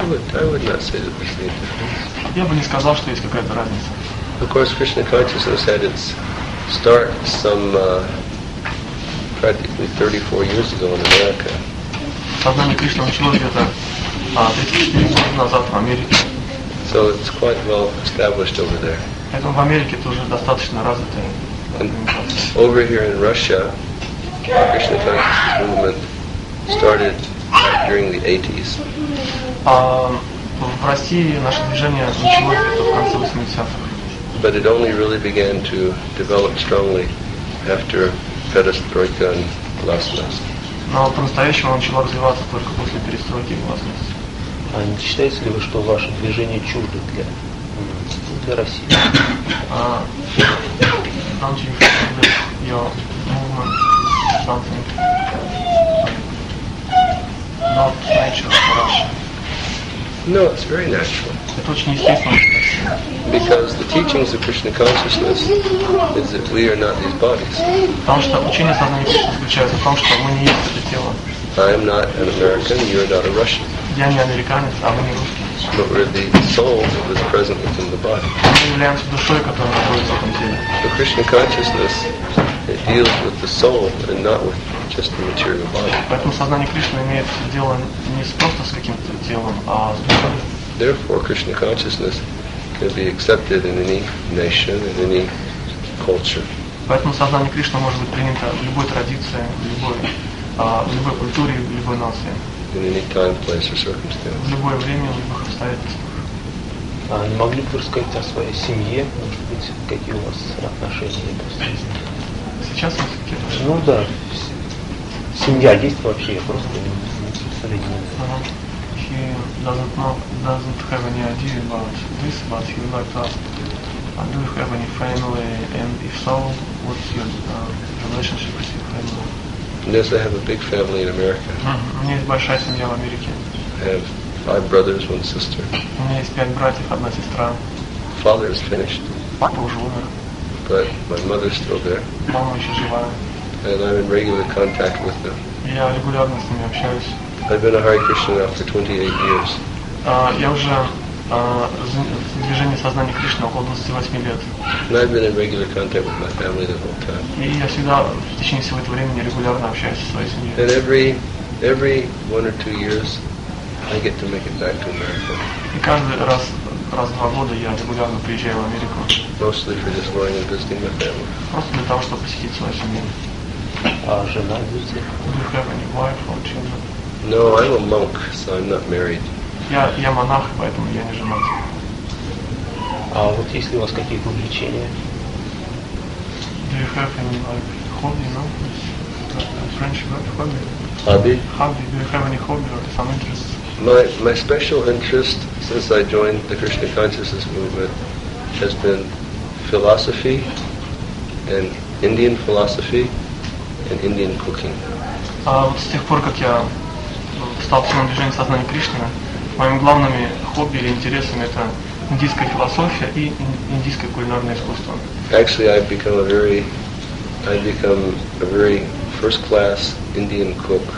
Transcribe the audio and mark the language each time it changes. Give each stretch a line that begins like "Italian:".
English: I would not say that there's any difference.
Russian: Я бы не сказал, что есть какая-то разница.
English: Of course, Krishna consciousness had its start some practically 34 years ago in America.
Russian: Сознание Кришны началось где-то 34 года назад в Америке.
English: So it's quite well established over there.
Russian: Поэтому в Америке это уже достаточно развитое.
English: And over here in Russia, the Krishna consciousness movement started during the 80s.
Russian: В России наше движение началось только в конце 80-х.
English: But it only really began to develop strongly after Perestroika and Glasnost.
Russian: Но по-настоящему начало развиваться только после перестройки и Glasnost. А не считаете ли вы, что ваше движение чуждо для России?
English: Don't you feel that your movement is something not natural for us? No, it's very natural.
Russian: Это очень естественно.
English: Because the teachings of Krishna consciousness is that we are not these bodies.
Russian: Потому что учение сознания Кришны заключается в том, что мы не есть это тело.
English: I am not an American, you are not a Russian.
Russian: Я не американец, а вы не русский.
English: But we're the soul that is present within the body.
Russian: Мы являемся душой, которая находится в этом теле.
English: The Krishna consciousness, it deals with the soul and not with just the material body.
Russian: Поэтому сознание Кришны имеет дело не просто с каким-то телом, а с душой.
English: Therefore, Krishna consciousness can be accepted in any nation, in any culture.
Russian: Поэтому сознание Кришны может быть принято в любой традиции, в любой культуре, в любой нации.
English: In any time, place, or circumstance.
Russian: В любое время, в любых обстоятельствах. А не могли бы рассказать о своей семье, может быть, какие у вас отношения есть? Сейчас у вас какие отношения? Ну да. Семья есть вообще, я просто не представляю.
English: He doesn't have any idea about this, but he would like to ask, do you have any family, and if so, what's your relationship with your family? Yes, I have a big family in America.
Russian: У меня есть большая семья в Америке.
English: I have 5 brothers, 1 sister.
Russian: У меня есть 5 братьев, 1 сестра.
English: Father is finished.
Russian: Папа уже умер.
English: But my mother is still there.
Russian: Мама еще жива.
English: And I'm in regular contact with them.
Russian: Я регулярно с ними общаюсь.
English: I've been a Hare Krishna after 28 years.
Russian: Я уже в движении сознания Кришны около 28 лет.
English: And I've been in regular contact with my family the whole time.
Russian: И я всегда в течение всего этого времени регулярно общаюсь со своей семьей.
English: And every one or two years, I get to make it back to America.
Russian: И каждый раз в два года я регулярно приезжаю в Америку.
English: Mostly for just going and visiting my family.
Russian: Просто для того, чтобы посетить свою семью. А жена, дети?
English: Do you have any wife or children? No, I'm a monk, so I'm not married.
Russian: Я монах, поэтому я не женат. А вот есть ли у вас какие-то увлечения?
English: Do you have any hobby, no? French word, hobby. Hobby? Hobby. Do you have any hobby or some interests? My special interest since I joined the Krishna Consciousness Movement has been philosophy and Indian philosophy and Indian cooking.
Russian: А вот с тех пор, как я стал членом движения сознания Кришны, моими главными хобби или интересами это индийская философия и индийское кулинарное искусство.
English: Actually, I've become a very first class Indian cook.